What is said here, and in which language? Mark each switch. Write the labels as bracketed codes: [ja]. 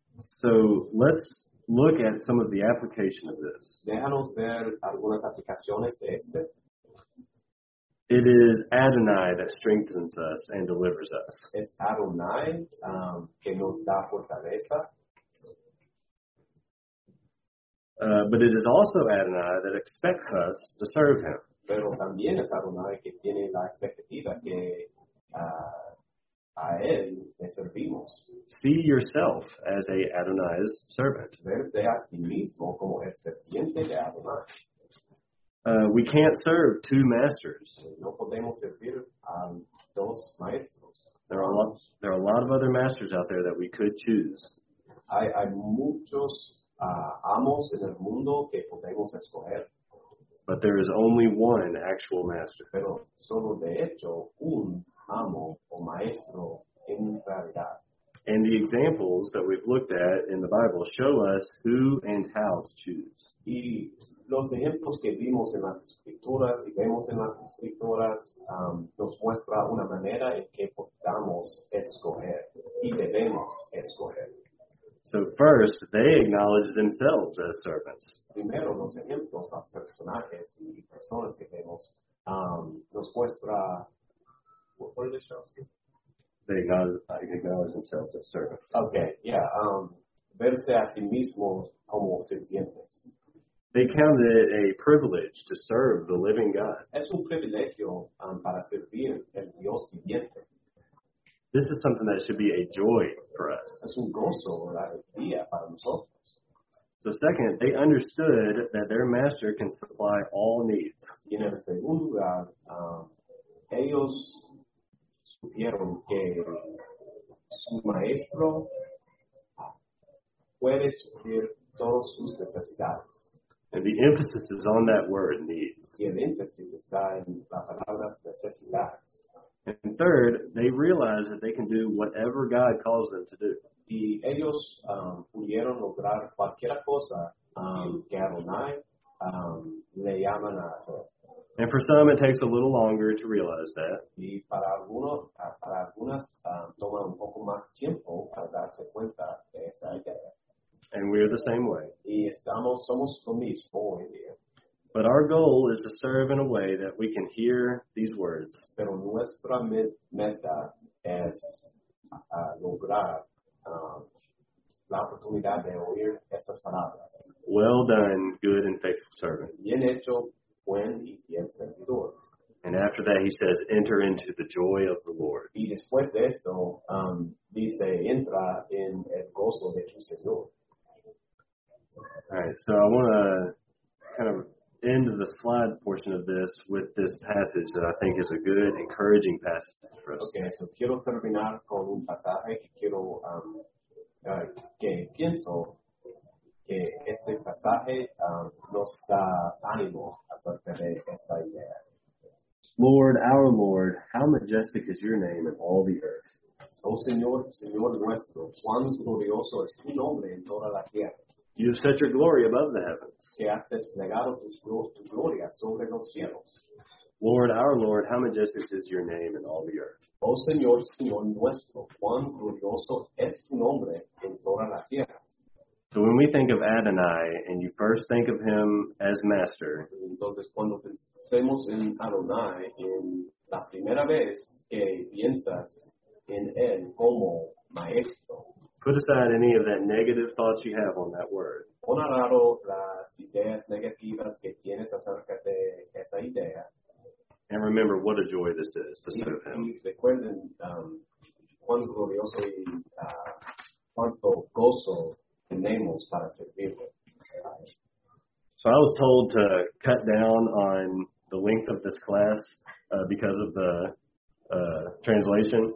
[en] So let's look at some of the application of this. [es] Déjanos ver algunas aplicaciones de este. [en] It is Adonai that strengthens us and delivers us. [es] Es Adonai que nos da fortaleza. [en] But it is also Adonai that expects us to serve him. [es] Pero también es Adonai que tiene la expectativa que a él le servimos. [en] See yourself as a Adonai's servant. [es] Verte a ti mismo como el serviente de Adonai. [en] We can't serve two masters. [es] No podemos servir a dos maestros. [en] There are a lot of other masters out there that we could choose. [es] Hay muchos amos en el mundo que podemos escoger. [en] But there is only one actual master. [es] Pero solo de hecho un amo o maestro en realidad. [en] And the examples that we've looked at in the Bible show us who and how to choose. [es] Y los ejemplos que vimos en las escrituras y vemos en las escrituras nos muestra una manera en que podamos escoger y debemos escoger. [en] So first, they acknowledge themselves as servants. [es] Primero, los ejemplos, los personajes y personas que vemos nos muestra. [en] What are the shows? They acknowledge themselves as servants. Okay, yeah. [es] Verse a sí mismos como sirvientes. [en] They count it a privilege to serve the living God. [es] Es un privilegio para servir el Dios viviente. [en] This is something that should be a joy for us. [es] Es un gozo, una alegría para nosotros. [en] So second, they understood that their master can supply all needs. [es] Y en el segundo lugar, ellos supieron que su maestro puede suplir todas sus necesidades. [en] And the emphasis is on that word, needs. [es] Y el énfasis está en la palabra necesidades. [en] And third, they realize that they can do whatever God calls them to do. [es] Y ellos pudieron lograr cualquier cosa que Adonai le llaman a hacer. [en] And for some, it takes a little longer to realize that. [es] Y para algunas toma un poco más tiempo para darse cuenta de esa idea. [en] And we're the same way. [es] Y somos lo mismo hoy en día. [en] But our goal is to serve in a way that we can hear these words. [es] Pero nuestra meta es lograr la oportunidad de oír estas palabras. [en] Well done, good and faithful servant. [es] Bien hecho, buen y fiel servidor. [en] And after that he says, enter into the joy of the Lord. [es] Y después de esto, dice, entra en el gozo de tu Señor. [en] All right, so I want to kind of end the slide portion of this with this passage that I think is a good, encouraging passage for us. [es] Okay, so quiero terminar con un pasaje que quiero, que pienso que este pasaje nos da ánimo acerca de esta idea. [en] Lord, our Lord, how majestic is your name in all the earth. [es] Oh, Señor, Señor nuestro, cuán glorioso es tu nombre en toda la tierra. [en] You have set your glory above the heavens. [es] Que has desplegado tu gloria sobre los cielos. [en] Lord, our Lord, how majestic is your name in all the earth. [es] Oh, Señor, Señor nuestro, cuán glorioso es tu nombre en toda la tierra. [en] So when we think of Adonai, and you first think of him as master. [es] Entonces, cuando pensemos en Adonai, en la primera vez que piensas en él como maestro. [en] Put aside any of that negative thoughts you have on that word. [es] Pon a lado las ideas negativas que tienes acerca de esa idea. [en] And remember what a joy this is to serve him. [es] Recuerden cuán glorioso y cuánto gozo tenemos para servirle. [en] So I was told to cut down on the length of this class because of the translation.